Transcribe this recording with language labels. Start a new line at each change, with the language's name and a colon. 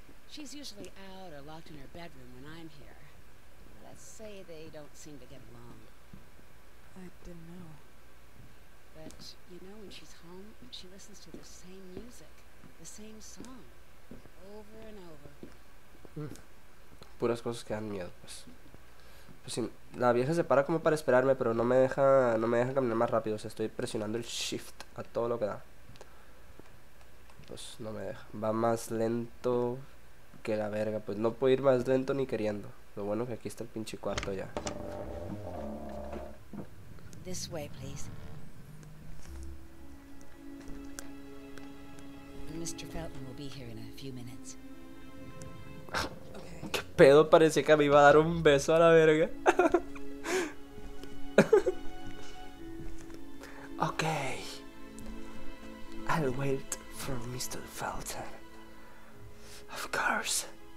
English: She's usually out or locked in her bedroom when I'm here. Let's say they don't seem to get along. I didn't know. But you know, when she's home, she listens to the same music, the same song, over and over.
Spanish: Puras cosas que dan miedo, pues. Pues sí, la vieja se para como para esperarme, pero no me deja caminar más rápido. O sea, estoy presionando el shift a todo lo que da. Pues no me deja. Va más lento que la verga. Pues no puedo ir más lento ni queriendo. Lo bueno que aquí está el pinche cuarto ya.
English: This way, please. Mr. Felton will be here in a few minutes.
Spanish: ¿Qué pedo? Parecía que me iba a dar un beso a la verga.
English: Ok, I'll wait for Mr. Felton. Of course.